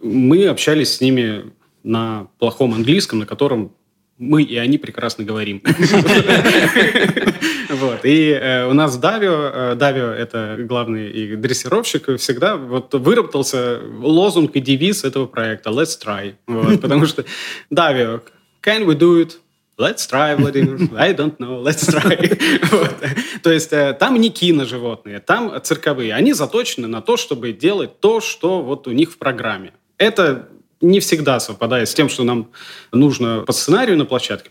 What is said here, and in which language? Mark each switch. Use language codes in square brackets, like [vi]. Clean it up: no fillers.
[ru] Мы общались с ними на плохом английском, на котором мы и они прекрасно говорим. Вот. И у нас Давио это главный и дрессировщик, всегда вот выработался лозунг и девиз этого проекта [en] «Let's try». [ru] Вот. Потому что Давио, [en] «Can we do it?» «Let's try, [ru] Владимир». [en] «I don't know, let's try». [ru] Вот. То есть там не киноживотные, там цирковые. Они заточены на то, чтобы делать то, что вот у них в программе. Это не всегда совпадает с тем, что нам нужно по сценарию на площадке.